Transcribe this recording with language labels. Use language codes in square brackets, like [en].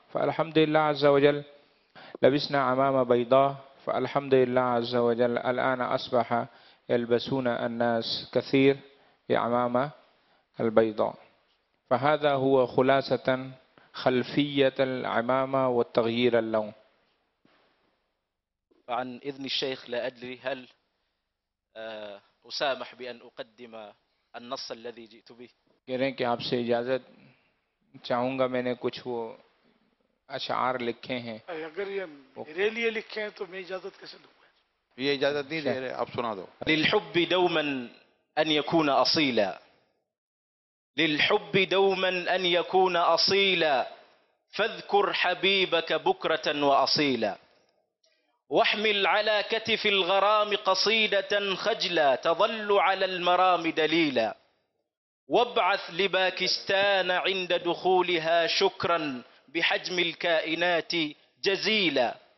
[ar] فالحمد لله عز وجل لبسنا عمامه بيضاء, فالحمد لله عز وجل الان اصبح يلبسون الناس كثير عمامه البيضاء. فهذا هو خلاصه خلفية العمامة والتغيير اللون. عن إذن الشيخ لا أدري هل أسامح بأن أقدم النص الذي جئت به. [ur] كريم کہ آپ سے اجازت چاہوں گا, میں نے کچھ وہ اشعار لکھے ہیں. اگر یہ میرے لیے لکھے ہیں تو میں اجازت کیسے دوں؟ یہ اجازت نہیں دے رہے, آپ سنا دو. [ar] للحب دوما أن يكون أصيلا, للحب دوما أن يكون أصيلا, فاذكر حبيبك بكرة وأصيلا, واحمل على كتف الغرام قصيدة خجلا تظل على المرام دليلا, وابعث لباكستان عند دخولها شكرا بحجم الكائنات جزيلا.